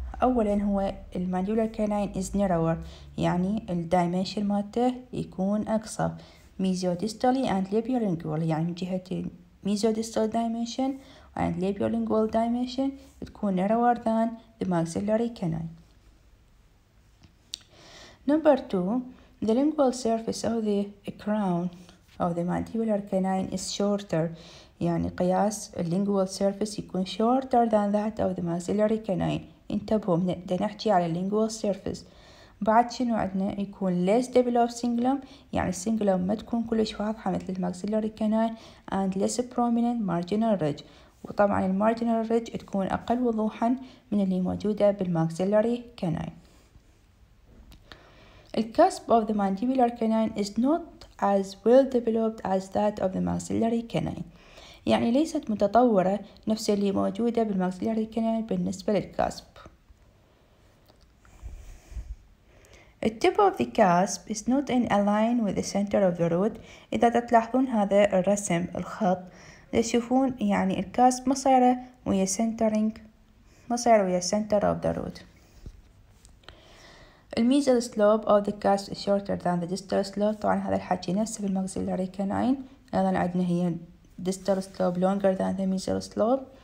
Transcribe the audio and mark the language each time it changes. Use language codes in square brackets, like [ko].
[ar] اولا هو المانديبولار كناين [en] is narrower، [ar] يعني الدايمنشن مالته يكون اقصر. [en] mesiodistally and labiolingual [ar] يعني من جهة [en] Mesiodistal dimension and labiolingual dimension تكون narrower than the maxillary canine. Number two, the lingual surface of the crown of the mandibular canine is shorter. [ar] يعني قياس اللينجوال سيرفيس يكون [en] shorter than that of the maxillary canine. [ar] انتبهوا، بدنا نحكي على اللينجوال سيرفيس. بعد شنو عندنا؟ يكون [en] less developed cingulum، [ar] يعني cingulum ما تكون كلش واضحة مثل maxillary canine، [en] and less prominent marginal ridge. [ar] وطبعا marginal ridge تكون أقل وضوحا من اللي موجودة بالmaxillary canine. [en] The cusp of the mandibular canine is not as well developed as that of the maxillary canine. [ar] يعني ليست متطورة نفس اللي موجودة بالماكسيلاري كناين بالنسبة للكاسب. [en] The tip of the cusp is not in align with the center of the root. [ar] إذا تلاحظون هذا الرسم الخط، تشوفون يعني الكاسب ما صار ويا سنترينج، ما صار ويا [en] center of the root. الميزل slope of the cusp is shorter than the distal slope. [ar] طبعا هذا الحكي نفسه بالماكسيلاري كناين، أيضا عندنا هي [en] distal slope longer than the mesial slope.